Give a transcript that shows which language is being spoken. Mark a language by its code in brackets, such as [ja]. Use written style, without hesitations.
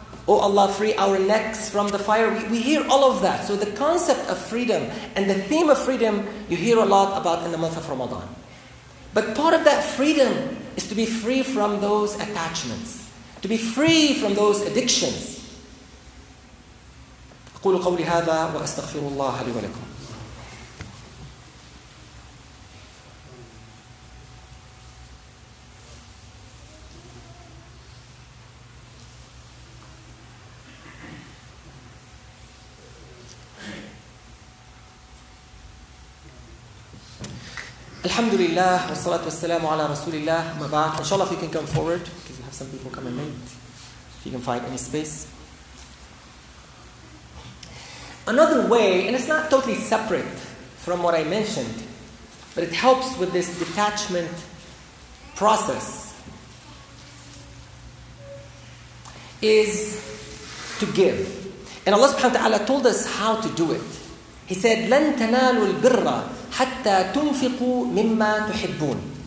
[en] Oh Allah, free our necks from the fire. We hear all of that. So the concept of freedom and the theme of freedom, you hear a lot about in the month of Ramadan. But part of that freedom is to be free from those attachments. To be free from those addictions. [ar] أقول قولي هذا وأستغفر الله لي ولكم. Alhamdulillah, wa salatu wa salamu ala rasulillah, ma ba'd. [en] Inshallah, if you can come forward, because we have some people coming late, if you can find any space. Another way, and it's not totally separate from what I mentioned, but it helps with this detachment process, is to give. And Allah subhanahu wa ta'ala told us how to do it. He said, [ar] لَن تَنَالُوا الْبِرَّ حَتَّى تُنْفِقُوا مِمَّا تُحِبُّونَ.